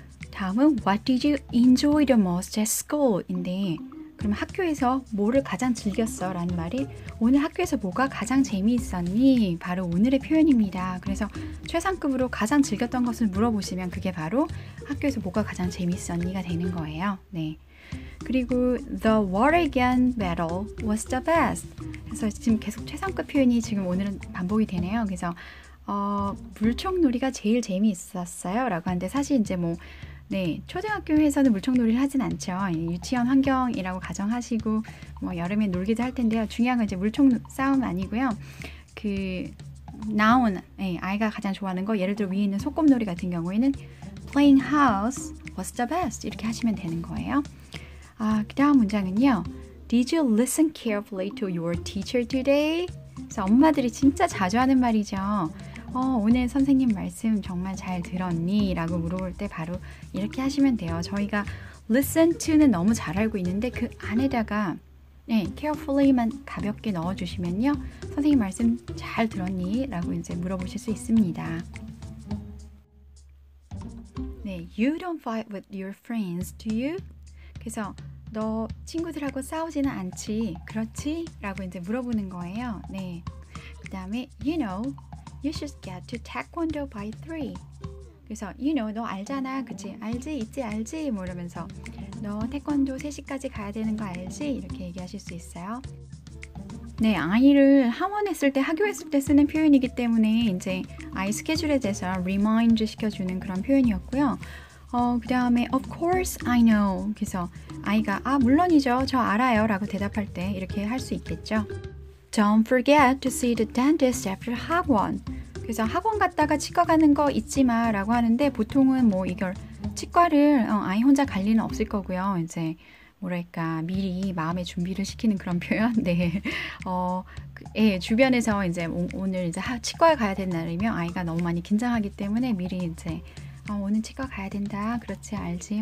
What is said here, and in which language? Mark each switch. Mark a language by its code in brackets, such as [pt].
[ko] 다음은 [en] What did you enjoy the most at school? [ko] 인데 그럼 학교에서 뭐를 가장 즐겼어? 라는 말이 오늘 학교에서 뭐가 가장 재미있었니? 바로 오늘의 표현입니다. 그래서 최상급으로 가장 즐겼던 것을 물어보시면 그게 바로 학교에서 뭐가 가장 재미있었니?가 되는 거예요. 네. [en] 그리고 The War Again Battle was the best. [ko] 그래서 지금 계속 최상급 표현이 지금 오늘은 반복이 되네요. 그래서 물총놀이가 제일 재미있었어요. 라고 하는데 사실 이제 뭐 네, 초등학교에서는 물총놀이를 하진 않죠. 유치원 환경이라고 가정하시고 뭐 여름에 놀기도 할 텐데요. 중요한 건 이제 물총 싸움 아니고요. 그 noun, 네, 아이가 가장 좋아하는 거 예를 들어 위에 있는 소꿉놀이 같은 경우에는 [en] playing house was the best [ko] 이렇게 하시면 되는 거예요. 아, 그 다음 문장은요. [en] Did you listen carefully to your teacher today? [ko] 그래서 엄마들이 진짜 자주 하는 말이죠. 오늘 선생님 말씀 정말 잘 들었니? 라고 물어볼 때 바로 이렇게 하시면 돼요. 저희가 listen to는 너무 잘 알고 있는데 그 안에다가 네, carefully만 가볍게 넣어주시면요. 선생님 말씀 잘 들었니? 라고 이제 물어보실 수 있습니다. [en] 네, you don't fight with your friends, do you? [ko] 그래서 너 친구들하고 싸우지는 않지, 그렇지? 라고 이제 물어보는 거예요. [en] 네, 그 다음에 you know, You should get to Taekwondo by 3. [ko] 그래서 [en] you know [ko] 너 알잖아. 그치? 알지? 있지? 알지? 뭐 이러면서 너 태권도 3시까지 가야 되는 거 알지? 이렇게 얘기하실 수 있어요. 네, 아이를 학원했을 때, 학교했을 때 쓰는 표현이기 때문에 이제 아이 스케줄에 대해서 리마인드 시켜주는 그런 표현이었고요. 그 다음에 [en] of course I know. [ko] 그래서 아이가 아 물론이죠. 저 알아요. 라고 대답할 때 이렇게 할 수 있겠죠. [en] Don't forget to see the dentist after 학원. [ko] 그래서 학원 갔다가 치과 가는 거 잊지 마라고 하는데 보통은 뭐 이걸 치과를 아이 혼자 갈 리는 없을 거고요. 이제 뭐랄까 미리 마음의 준비를 시키는 그런 표현. 네. 예, 주변에서 이제 오늘 이제 치과에 가야 되는 날이면 아이가 너무 많이 긴장하기 때문에 미리 이제 오늘 치과 가야 된다. 그렇지 알지?